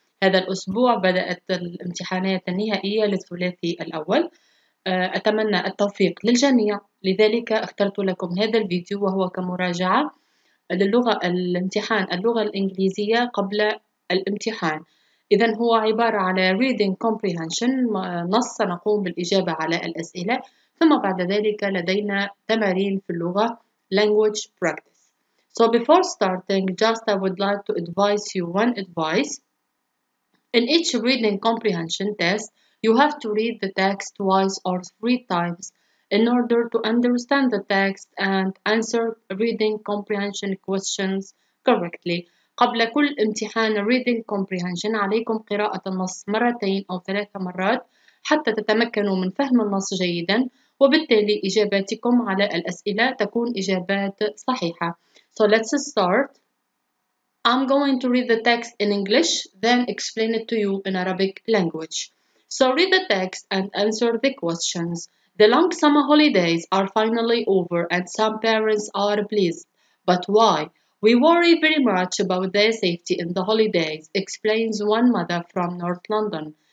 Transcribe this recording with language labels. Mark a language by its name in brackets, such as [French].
[Arabic] هذا الأسبوع بدأت الامتحانات النهائية للثلاثي الأول، أتمنى التوفيق للجميع، لذلك اخترت لكم هذا الفيديو وهو كمراجعة للغة الامتحان اللغة الإنجليزية قبل الامتحان. إذن هو عبارة على Reading Comprehension، نص نقوم بالإجابة على الأسئلة، ثم بعد ذلك لدينا تمارين في اللغة language practice. [English] So before starting, just I would like to advise you one advice. In each reading comprehension test, you have to read the text twice or three times in order to understand the text and answer reading comprehension questions correctly. [Arabic] قبل كل امتحان reading comprehension عليكم قراءة النص مرتين أو ثلاث مرات حتى تتمكنوا من فهم النص جيداً، وبالتالي إجاباتكم على الأسئلة تكون إجابات صحيحة. [English] So let's start. I'm going to read the text in English, then explain it to you in Arabic language. So read the text and answer the questions. The long summer holidays are finally over and some parents are pleased. But why? We worry very much about their safety in the holidays, explains one mother from North London.